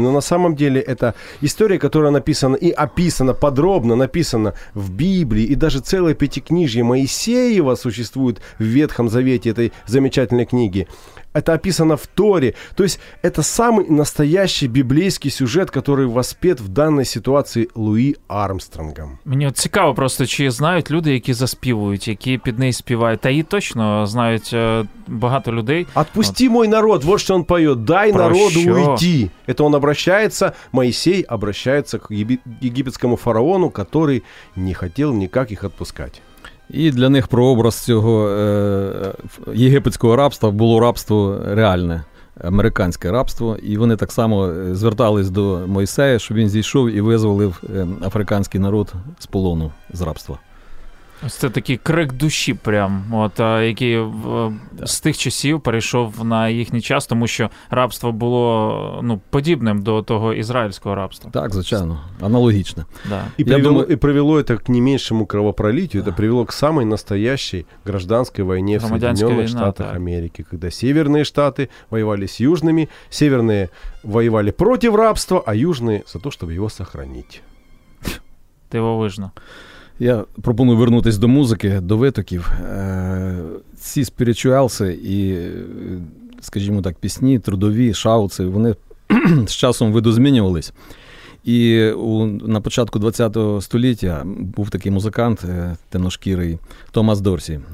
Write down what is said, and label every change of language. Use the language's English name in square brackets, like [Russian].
[Russian] Но на самом деле это история, которая написана и описана, подробно написана в Библии, и даже целое пятикнижье Моисеева существует в Ветхом Завете этой замечательной книги. Это описано в Торе. То есть это самый настоящий библейский сюжет, который воспет в данной ситуации Луи Армстронгом. [Ukrainian] Мені цікаво просто, чи знають люди, які заспівують, які під неї співають. Та її точно знають багато людей. [Russian] «Отпусти мой народ», вот что он поет. «Дай народу уйти». Это он обращается, Моисей обращается к египетскому фараону, который не хотел никак их отпускать. [Ukrainian] І для них прообраз цього єгипетського рабства було рабство реальне, американське рабство. І вони так само звертались до Мойсея, щоб він зійшов і визволив африканський народ з полону, з рабства. Ось це такий крик душі прям, от, який з тих часів перейшов на їхній час, тому що рабство було, ну, подібним до того ізраїльського рабства. Так, звичайно, аналогічне. Да. І, привело це [Russian] к не меншому кровопролитию, це привело к самой настоящей гражданской войне в Соединенных Штатах Америки, когда северные штаты воевали с южными, северные воевали против рабства, а южные за то, чтобы его сохранить. [Ukrainian] Дивовижно. Я пропоную вернутись до музики, до витоків. Ці спірічуалси і, скажімо так, пісні, трудові, шауци, вони з часом видозмінювались. І на початку ХХ століття був такий музикант, темношкірий, Томас Дорсі.